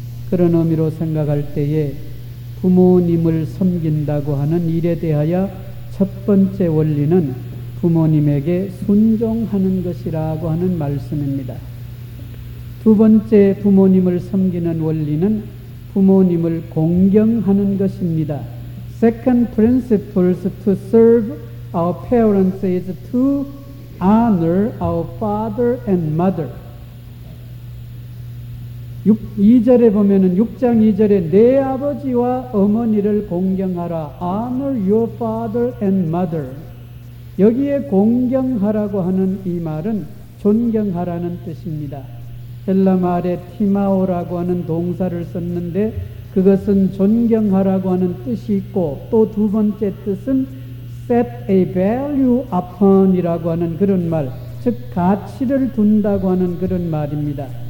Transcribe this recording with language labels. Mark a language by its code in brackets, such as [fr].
[ko] 그런 의미로 생각할 때에 부모님을 섬긴다고 하는 일에 대하여 첫 번째 원리는 부모님에게 순종하는 것이라고 하는 말씀입니다. 두 번째 부모님을 섬기는 원리는 부모님을 공경하는 것입니다. [en] Second principle to serve our parents is to honor our father and mother. [ko] 2절에 보면은 6장 2절에 내 아버지와 어머니를 공경하라. [en] Honor your father and mother. [ko] 여기에 공경하라고 하는 이 말은 존경하라는 뜻입니다. 헬라 말에 티마오라고 하는 동사를 썼는데 그것은 존경하라고 하는 뜻이 있고 또 두 번째 뜻은 [en] set a value upon [ko] 이라고 하는 그런 말, 즉 가치를 둔다고 하는 그런 말입니다.